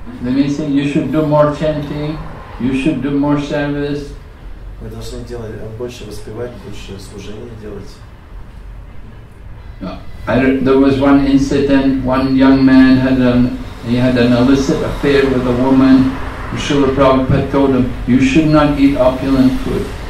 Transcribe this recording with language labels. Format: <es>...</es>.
<en>Let me say, you should do more chanting. You should do more service.</en> <ru>Вы должны делать больше воспевать, больше служения делать.</ru> <en>There was one incident. One young man had an illicit affair with a woman. Srila Prabhupada told him, "You should not eat opulent food."</en>